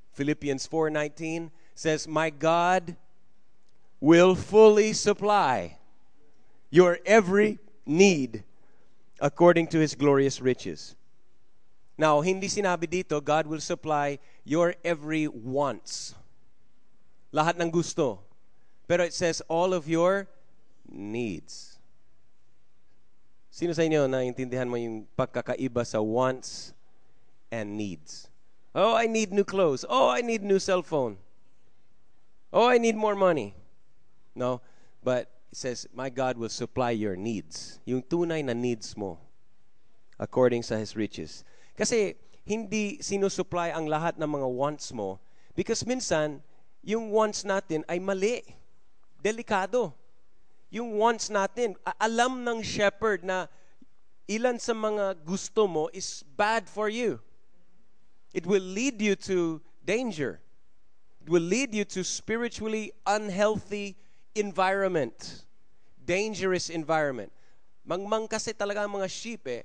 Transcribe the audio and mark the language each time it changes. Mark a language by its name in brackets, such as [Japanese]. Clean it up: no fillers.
[English] Philippians 4:19 says, my God will fully supply your every need according to His glorious riches. Now, [Filipino] hindi sinabi dito, [English] God will supply your every wants. [Filipino] Lahat ng gusto. [English] Pero it says, all of your needs. [Filipino] Sino sa inyo naiintindihan mo yung pagkakaiba sa wants and needs? [English] Oh, I need new clothes. Oh, I need new cell phone. Oh, I need more money. No, but it says, my God will supply your needs. [Filipino] Yung tunay na needs mo [English] according sa His riches. [Filipino] Kasi hindi sinusupply ang lahat ng mga wants mo because minsan, yung wants natin ay mali. Delikado. Yung wants natin, alam ng shepherd na ilan sa mga gusto mo [English] is bad for you. It will lead you to danger. It will lead you to spiritually unhealthy environment. Dangerous environment. [Filipino] Mangmang kasi talaga ang mga sheep eh.